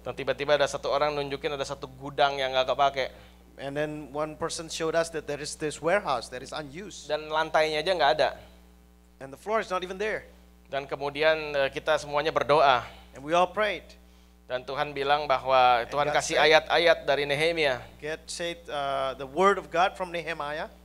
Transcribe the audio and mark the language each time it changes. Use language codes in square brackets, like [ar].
[id] Dan tiba-tiba ada satu orang nunjukin ada satu gudang yang nggak kepake. [en] And then one person showed us that there is this warehouse that is unused. [id] Dan lantainya aja nggak ada. [en] And the floor is not even there. [id] Dan kemudian kita semuanya berdoa. [en] And we all prayed. [id] Dan Tuhan bilang bahwa Tuhan kasih ayat-ayat dari Nehemia. [en] God said the word of God from Nehemiah.